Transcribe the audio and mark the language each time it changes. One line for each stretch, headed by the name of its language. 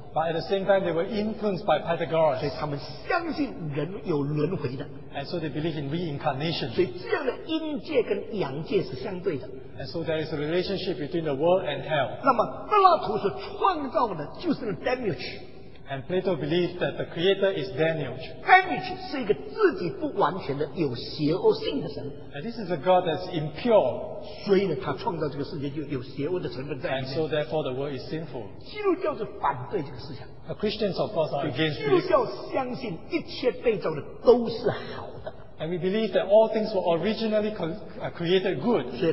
English: But at the same time, they were influenced by Pythagoras.
Chinese: 所以他们相信人有轮回的。
English: And so they believe in reincarnation.
Chinese: 所以这样的阴界跟阳界是相对的。
English: And so there is a relationship between the world and hell.
Chinese: 那么柏拉图所创造的就是Demiurge。
English: And Plato believed that the creator is Demiurge.
Chinese: Demiurge 是一个自己不完全的有邪恶性的神。
English: And this is a God that's impure.
Chinese: 所以呢，他创造这个世界就有邪恶的成分在里面。
English: And so therefore the world is sinful.
Chinese: 基督教是反对这个思想。
English: The Christians of course are against this.
Chinese: 基督教相信一切被造的都是好的。
English: And we believe that all things were originally created good.